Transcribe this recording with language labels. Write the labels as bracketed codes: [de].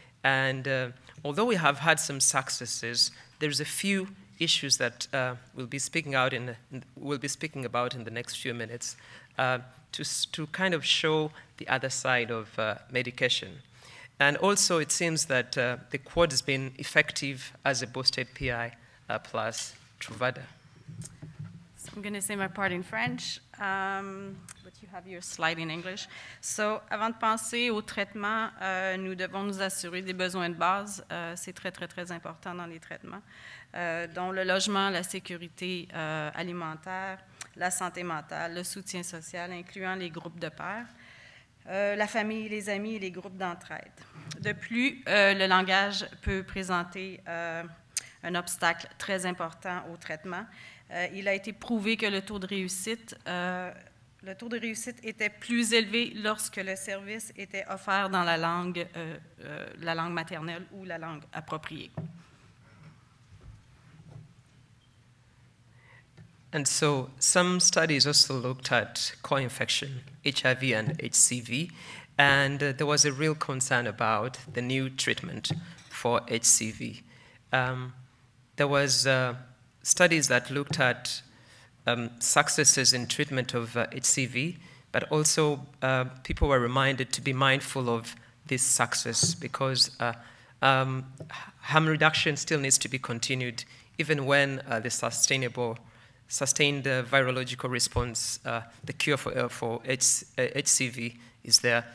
[en] And although we have had some successes, there's a few issues that we'll be speaking about in the next few minutes to kind of show the other side of medication. And also it seems that the quad has been effective as a boosted PI plus Truvada. So I'm gonna say my part in French. But you have your slide in English. [fr] So, avant de penser au traitement, nous devons nous assurer des besoins de base. C'est très, très, très important dans les traitements, dont le logement, la sécurité alimentaire, la santé mentale, le soutien social, incluant les groupes de pairs, la famille, les amis et les groupes d'entraide. De plus, le langage peut présenter un obstacle très important au traitement. Il a été prouvé que le taux de réussite était plus élevé lorsque le service était offert dans la langue maternelle ou la langue appropriée. [en] And so some studies also looked at co-infection, HIV and HCV, And there was a real concern about the new treatment for HCV. There was studies that looked at successes in treatment of HCV, but also people were reminded to be mindful of this success because harm reduction still needs to be continued even when the sustained virological response, the cure for HCV is there.